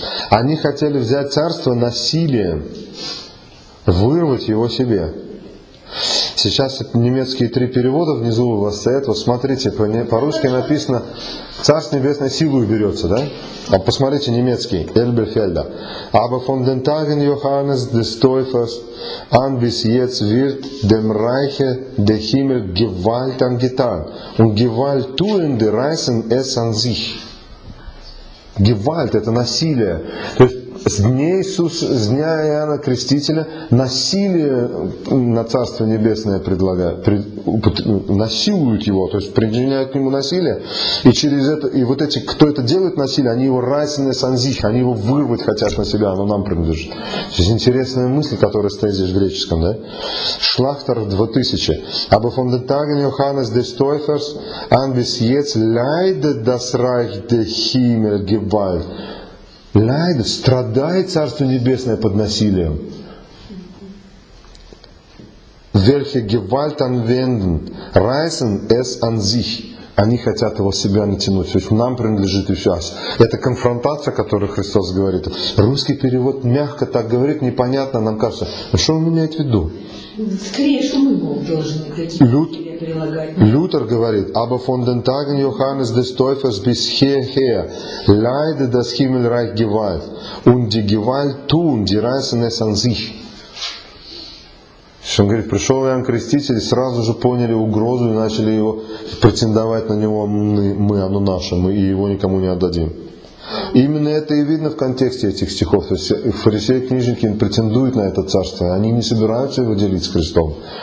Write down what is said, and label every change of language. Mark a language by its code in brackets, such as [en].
[ru] Они хотели взять царство насилием, вырвать его себе. Сейчас немецкие три перевода внизу у вас стоят. Вот смотрите, по-русски написано «Царство небесное силой берется», да? А посмотрите немецкий, Эльберфельда. [de] «Aber von den Tagen Johannes des Täufers an bis jetzt wird dem Reiche der Himmel Gewalt angetan und Gewalt tuende reißen es an sich». [ru] Gewalt – это насилие. То есть, с дня Иисуса, с дня Иоанна Крестителя насилие на Царство Небесное насилуют его, то есть, причиняют к нему насилие. И через это, и вот эти, кто это делает насилие, они его райсене санзих, они его вырвать хотят на себя, оно нам принадлежит. То есть, интересная мысль, которая стоит здесь в греческом, да? Шлахтер 2000. [de] «Aber von den Tagen Johannes des Täufers an bis jetzt leidet das Reich der Himmel Gewalt». [ru] Leidet, страдает Царство Небесное под насилием. [de] Welche Gewalt anwenden, reißen es an sich. [ru] Они хотят его себя натянуть. То есть нам принадлежит и сейчас. Это конфронтация, о которой Христос говорит. Русский перевод мягко так говорит, непонятно, нам кажется. А что он имеет в виду? Скорее, что мы Бог должны прилагать. Лютер говорит, [de] «Aber von den Tagen Johannes des Täufers bis hierher leidet das Himmelreich Gewalt und die Gewalt tun, die reißen es an sich». [ru] Он говорит, пришел Иоанн Креститель, сразу же поняли угрозу и начали его претендовать на него, мы, оно наше, мы его никому не отдадим. Именно это и видно в контексте этих стихов. То есть фарисеи и книжники претендуют на это царство, они не собираются его делить с Христом.